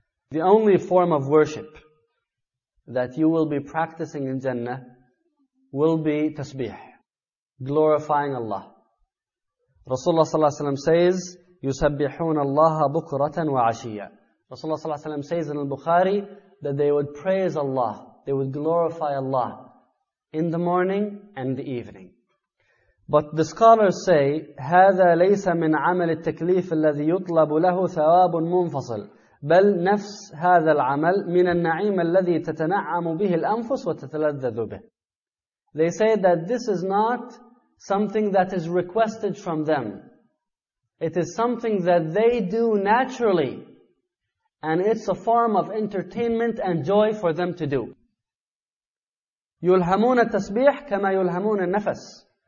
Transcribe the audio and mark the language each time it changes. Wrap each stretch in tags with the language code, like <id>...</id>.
<en>The only form of worship that you will be practicing in Jannah will be tasbih, glorifying Allah. Rasulullah sallallahu alaihi wasallam says,</en> <ar>"Yusabbihuna Allah bukratan wa 'ashiyya."</ar> <en>Rasulullah sallallahu alaihi wasallam says in al-Bukhari that they would praise Allah, they would glorify Allah in the morning and the evening. But the scholars say,</en> <ar>هَذَا لَيْسَ مِنْ عَمَلِ التَّكْلِيفِ الَّذِي يُطْلَبُ لَهُ ثَوَابٌ مُنْفَصِلٌ بَلْ نَفْسْ هَذَا الْعَمَلِ مِنَ النَّعِيمَ الَّذِي تَتَنَعَّمُ بِهِ الْأَنفُسُ وَتَتَلَذَّذُ بِهِ.</ar> <en>They say that this is not something that is requested from them. It is something that they do naturally. And it's a form of entertainment and joy for them to do.</en> <ar>يُلْهَمُونَ التَّسْبِيحِ كَمَا يُلْهَمُونَ النَّفَسِ.</ar>